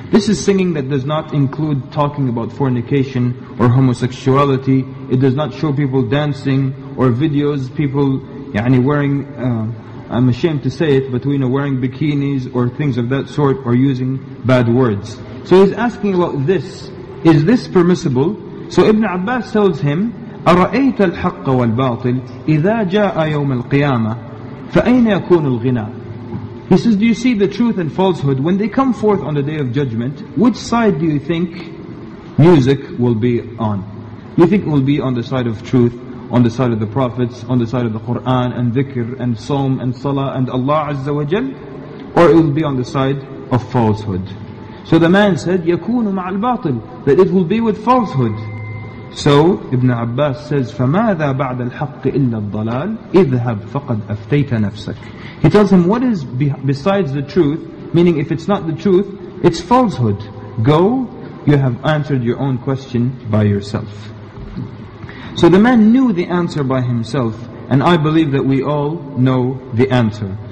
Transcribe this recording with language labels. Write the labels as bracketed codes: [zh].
[en] This is singing that does not include talking about fornication or homosexuality. It does not show people dancing or videos, people [ar] يعني [en] wearing, I'm ashamed to say it, but you know, wearing bikinis or things of that sort or using bad words. So he's asking about this. Is this permissible? So Ibn Abbas tells him, [ar] أَرَأَيْتَ الْحَقَّ وَالْبَاطِلِ إِذَا جَاءَ يَوْمَ الْقِيَامَةِ فَأَيْنَ يَكُونُ الْغِنَىٰ? [en] He says, do you see the truth and falsehood when they come forth on the Day of Judgment? Which side do you think music will be on? You think it will be on the side of truth, on the side of the prophets, on the side of the Quran and dhikr and psalm and salah and Allah Azza wa Jal? Or it will be on the side of falsehood? So the man said, [ar] يَكُونُ مَعَ الْبَاطِلِ, [en] that it will be with falsehood. So Ibn Abbas says, [ar] فَمَاذَا بَعْدَ الْحَقِّ إِلَّا الضَّلَالِ اِذْهَبْ فَقَدْ أَفْتَيْتَ نَفْسَكَ. [en] He tells him, what is besides the truth, meaning if it's not the truth, it's falsehood. Go, you have answered your own question by yourself. So the man knew the answer by himself, and I believe that we all know the answer.